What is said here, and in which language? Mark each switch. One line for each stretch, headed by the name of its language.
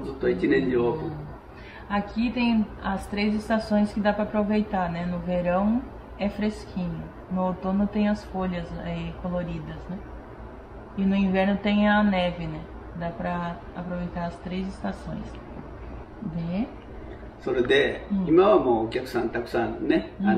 Japanese: それで冬場はまた雪が積もる。もう一年中楽しい。ここは冬場は閉まらないでしょ。もうずっと一年中オープン。
Portuguese: Aqui tem as três estações que dá para aproveitar, né? No verão é fresquinho. No outono tem as folhas aí coloridas, né? E no inverno tem a neve, né? Dá para aproveitar as três estações. De?
Japanese: それで今はもうお客さんたくさんね。